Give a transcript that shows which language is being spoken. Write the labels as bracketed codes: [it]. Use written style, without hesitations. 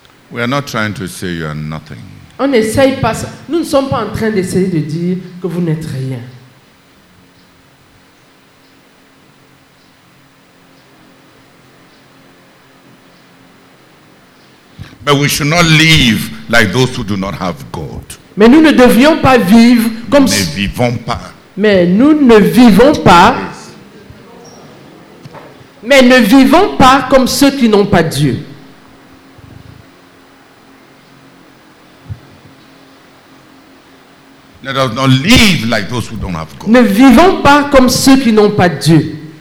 [en] We are not trying to say you are nothing. [fr] On n'essaye pas. Nous ne sommes pas en train d'essayer de dire que vous n'êtes rien. [en] But we should not live like those who do not have God. [fr] Mais nous ne devions pas vivre comme. Ne vivons pas. Mais nous ne vivons pas. Mais ne vivons pas comme ceux qui n'ont pas Dieu. [en] Let us not live like those who don't have God. [fr] Ne vivons pas comme ceux qui n'ont pas Dieu.